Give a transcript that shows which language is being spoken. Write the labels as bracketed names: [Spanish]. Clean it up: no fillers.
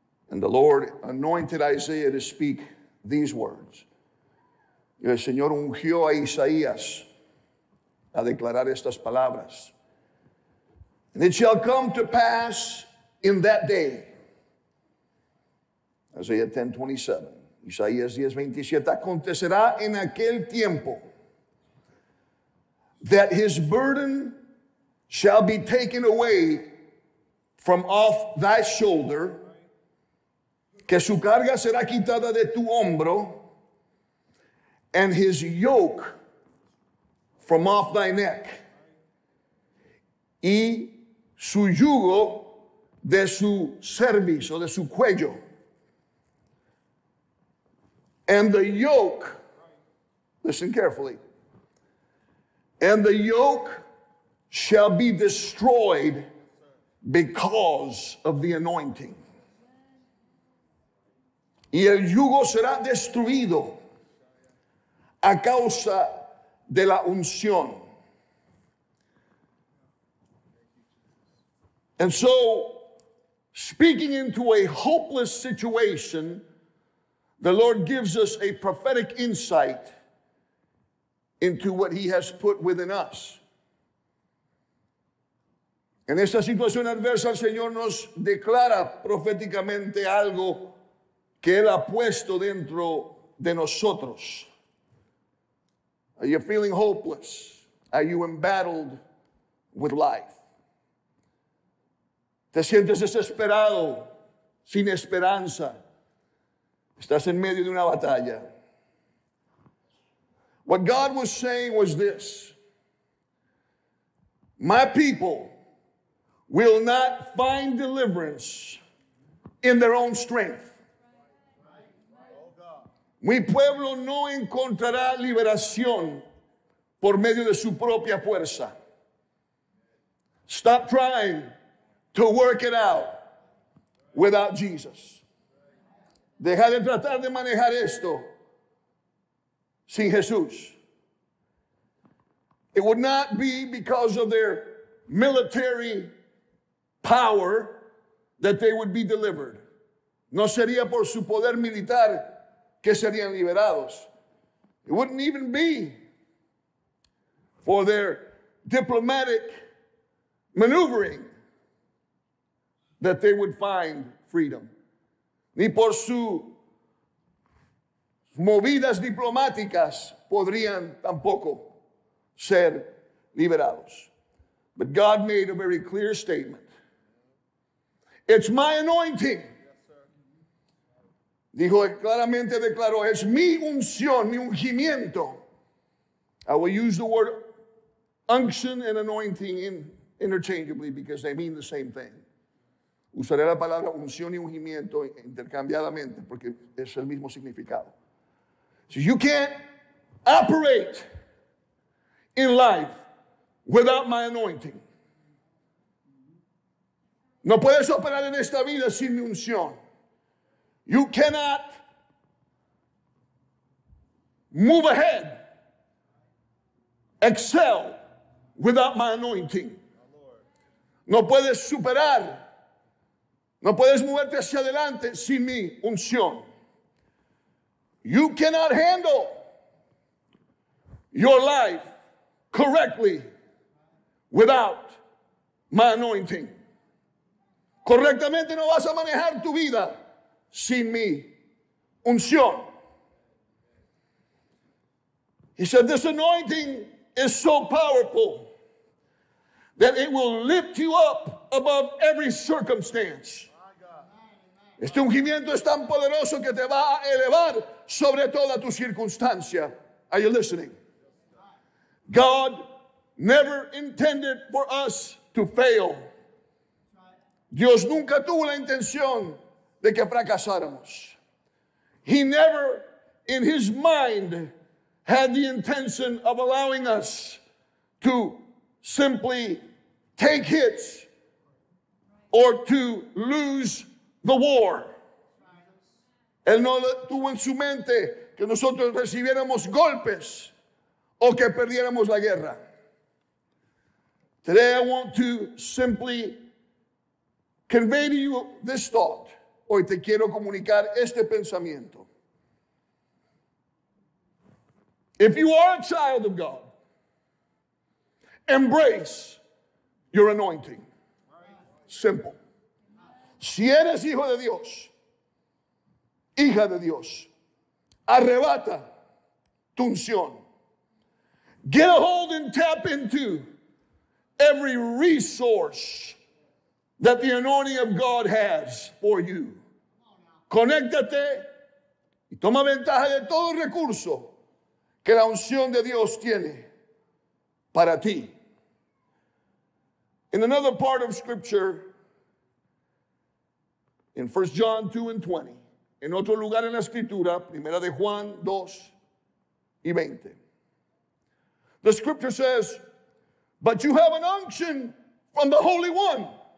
[English] And the Lord anointed Isaiah to speak these words. [Spanish] Y el Señor ungió a Isaías a declarar estas palabras. [English] And it shall come to pass in that day. [Spanish] Isaiah 10:27. Isaías 10:27. Acontecerá en aquel tiempo [English] that his burden shall be taken away from off thy shoulder, [Spanish] que su carga será quitada de tu hombro, [English] and his yoke from off thy neck, [Spanish] y su yugo de su cerviz, o de su cuello, [English] and the yoke, listen carefully, and the yoke shall be destroyed because of the anointing. [Spanish] Y el yugo será destruido a causa de la unción. [English] And so, speaking into a hopeless situation, the Lord gives us a prophetic insight into what he has put within us. [Spanish] En esta situación adversa, el Señor nos declara proféticamente algo que él ha puesto dentro de nosotros. [English] Are you feeling hopeless? Are you embattled with life? [Spanish] ¿Te sientes desesperado, sin esperanza? ¿Estás en medio de una batalla? [English] What God was saying was this: my people will not find deliverance in their own strength. [Spanish] Mi pueblo no encontrará liberación por medio de su propia fuerza. [English] Stop trying to work it out without Jesus. [Spanish] Deja de tratar de manejar esto sin Jesús. [English] It would not be because of their military power that they would be delivered. [Spanish] No sería por su poder militar que serían liberados. [English] It wouldn't even be for their diplomatic maneuvering that they would find freedom. [Spanish] Ni por sus movidas diplomáticas podrían tampoco ser liberados. [English] But God made a very clear statement. It's my anointing. [Spanish] Dijo, claramente declaró, es mi unción, mi ungimiento. [English] I will use the word unction and anointing interchangeably because they mean the same thing. [Spanish] Usaré la palabra unción y ungimiento intercambiadamente porque es el mismo significado. [English] So you can't operate in life without my anointing. [Spanish] No puedes operar en esta vida sin mi unción. [English] You cannot move ahead, excel without my anointing. [Spanish] No puedes superar, no puedes moverte hacia adelante sin mi unción. [English] You cannot handle your life correctly without my anointing. [Spanish] Correctamente no vas a manejar tu vida sin mi unción. [English] He said, this anointing is so powerful that it will lift you up above every circumstance. [Spanish] Este ungimiento es tan poderoso que te va a elevar sobre toda tu circunstancia. [English] Are you listening? God never intended for us to fail. [Spanish] Dios nunca tuvo la intención de que fracasáramos. [English] He never in his mind had the intention of allowing us to simply take hits or to lose the war. [Spanish] Él no tuvo en su mente que nosotros recibiéramos golpes o que perdiéramos la guerra. [English] Today I want to simply convey to you this thought. [Spanish] hoy te quiero comunicar este pensamiento. [English] If you are a child of God, embrace your anointing. Simple. [Spanish] Si eres hijo de Dios, hija de Dios, arrebata tu unción. [English] Get a hold and tap into every resource that the anointing of God has for you. [Spanish] Conéctate y toma ventaja de todo recurso que la unción de Dios tiene para ti. [English] In another part of scripture, in 1 John 2 and 20, [Spanish] en otro lugar en la escritura, primera de Juan 2 y 20, [English] the scripture says, but you have an unction from the Holy One.